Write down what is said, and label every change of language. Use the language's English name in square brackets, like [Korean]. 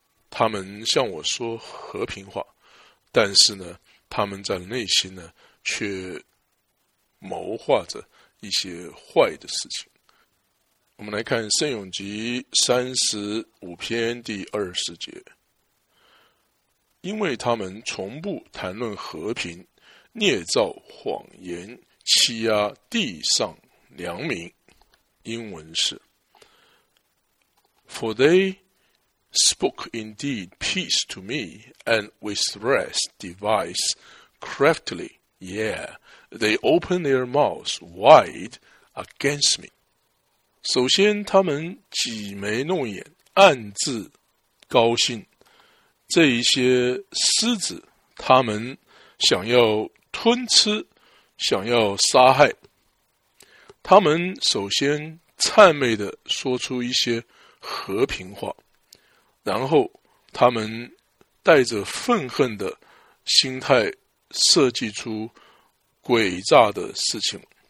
[Chinese] 他们向我说和平话，但是呢他们在内心呢却谋划着一些坏的事情。我们来看圣咏集35篇第20节，因为他们从不谈论和平，捏造谎言，欺压地上良民。英文是 [English] For they spoke indeed peace to me, and with rest device craftily, yeah, they open their mouths wide against me. [Chinese] 首先他们挤眉弄眼，暗自高兴，这一些狮子他们想要吞吃，想要杀害。他们首先谄媚地说出一些和平话，然后他们带着愤恨的心态设计出诡诈的事情。